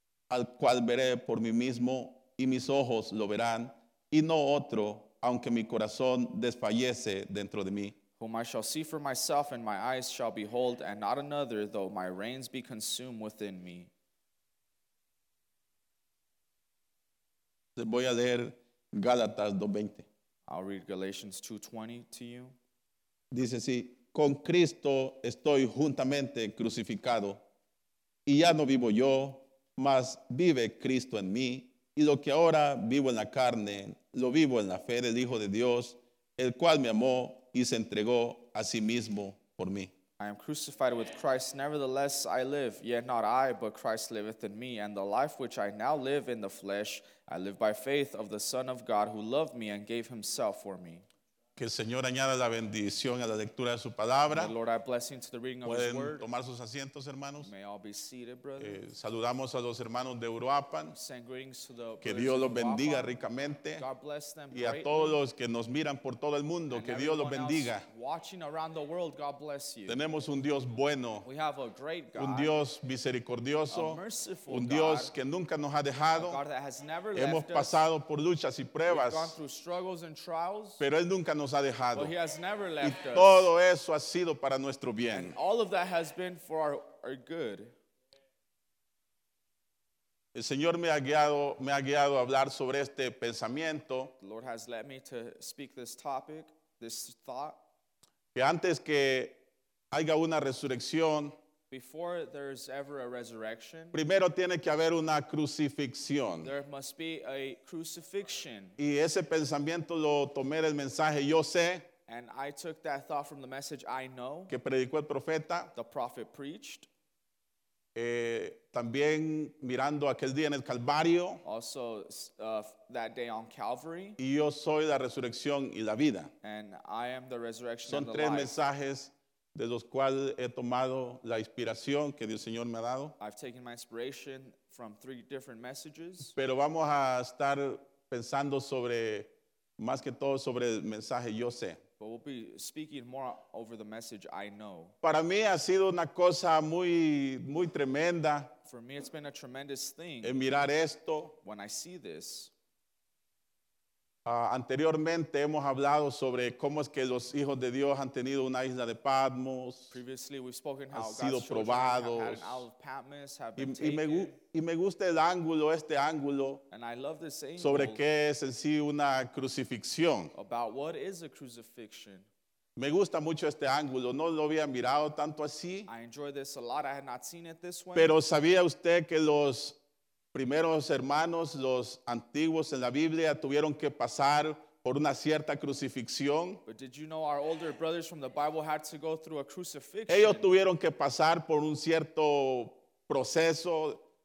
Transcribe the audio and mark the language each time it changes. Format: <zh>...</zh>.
<es>Al cual veré por mí mismo, y mis ojos lo verán, y no otro, aunque mi corazón desfallece dentro de mí.</es> <en>Whom I shall see for myself, and my eyes shall behold, and not another, though my reins be consumed within me.</en> <es>Les voy a leer Gálatas 2:20.</es> <en>I'll read Galatians 2:20 to you.</en> <es>Dice así: con Cristo estoy juntamente crucificado, y ya no vivo yo, mas vive Cristo en mí, y lo que ahora vivo en la carne, lo vivo en la fe del Hijo de Dios, el cual me amó y se entregó a sí mismo por mí.</es> <en>I am crucified with Christ, nevertheless I live, yet not I, but Christ liveth in me, and the life which I now live in the flesh, I live by faith of the Son of God, who loved me and gave himself for me.</en> <es>Que el Señor añada la bendición a la lectura de su palabra.</es> <en>The Lord, I bless you into the reading of his word.</en> <es>Pueden tomar sus asientos, hermanos.</es> <en>May all be seated, brother.</en> <es>Saludamos a los hermanos de Uruapan.</es> <en>Send greetings to the</en> <es>que Dios los bendiga ricamente.</es> <en>God bless them greatly.</en> <es>Y a todos los que nos miran por todo el mundo,</es> <en>and</en> <es>que Dios los bendiga.</es> <en>Watching around the world, God bless you.</en> <es>Tenemos un Dios bueno.</es> <en>We have a great God.</en> <es>Un Dios misericordioso.</es> <en>A merciful</en> <es>un Dios</es> <en>God,</en> <es>que nunca nos ha dejado.</es> <en>A God that has never</en> <es>hemos</es> <en>left</en> <es>pasado</es> <en>us</en> <es>por luchas y pruebas.</es> <en>We've gone through struggles and trials.</en> <es>Pero Él nunca nos ha dejado.</es> <en>Well, he has never left</en> <es>y todo eso ha sido para nuestro bien.</es> <en>And all of that has been for our good.</en> <es>El Señor me ha guiado a hablar sobre este pensamiento.</es> <en>The Lord has led me to speak this topic, this thought.</en> <es>Que antes que haya una resurrección,</es> <en>before there's ever a resurrection,</en> <es>primero tiene que haber una crucifixión.</es> <en>There must be a crucifixion.</en> <es>Y ese pensamiento lo tomé del mensaje Yo Sé.</es> <en>And I took that thought from the message I Know.</en> <es>Que predicó el profeta.</es> <en>The prophet preached.</en> <es>También mirando aquel día en el Calvario.</es> <en>Also that day on Calvary.</en> <es>Y yo soy la resurrección y la vida.</es> <en>And I am the resurrection</en> <es>son</es> <en>and the</en> <es>tres</es> <en>life.</en> <es>Mensajes de los cuales he tomado la inspiración que Dios Señor me ha dado.</es> <en>I've taken my inspiration from three different messages.</en> <es>Pero vamos a estar pensando sobre, más que todo sobre el mensaje Yo Sé.</es> <en>But we'll be speaking more over the message I Know.</en> <es>Para mí ha sido una cosa muy, muy tremenda.</es> <en>For me it's been a tremendous thing.</en> <es>En mirar esto.</es> <en>When I see this.</en> <es>Anteriormente hemos hablado sobre cómo es que los hijos de Dios han tenido una isla de Patmos.</es> <en>Previously we've spoken how God's</en> <es>sido probados.</es> <en>Children have had an isle of Patmos, have been</en> <es>y me gusta el ángulo, este ángulo.</es> <en>And I love this angle.</en> <es>Sobre qué es en sí una crucifixión.</es> <en>About what is a crucifixion.</en> <es>Me gusta mucho este ángulo. No lo había mirado tanto así.</es> <en>I enjoy this a lot. I had not seen it this way.</en> <es>Pero sabía usted que los primeros hermanos, los antiguos en la Biblia, tuvieron que pasar por una cierta crucifixión.</es> <en>But did you know our older brothers from the Bible had to go through a crucifixion?</en> <es>Ellos tuvieron que pasar por un cierto proceso.</es>